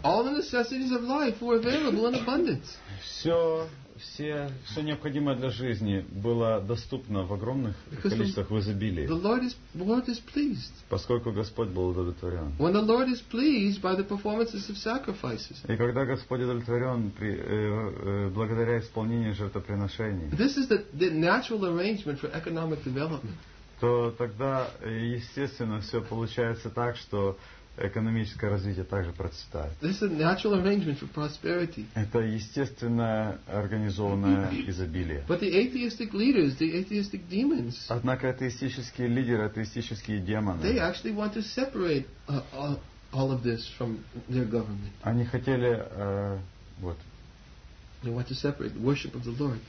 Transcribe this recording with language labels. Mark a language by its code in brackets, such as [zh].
[en] All the necessities of life were available in abundance. [ru] Все необходимое для жизни было доступно в огромных количествах, в изобилии. [en] The Lord is pleased. [ru] Поскольку Господь был удовлетворен. [en] When the Lord is pleased by the performances of sacrifices. [ru] И когда Господь удовлетворен благодаря исполнению жертвоприношений. [en] This is the natural arrangement for economic development. [ru] То тогда, естественно, все получается так, что экономическое развитие также процветает. [en] This is a natural arrangement for prosperity. [ru] Это естественное организованное изобилие. [en] But the atheistic leaders, the atheistic demons, [ru] однако атеистические лидеры, атеистические демоны, [en] they actually want to separate all of this from their government. [ru] Они хотели, вот. [en] They want to separate the worship of the Lord.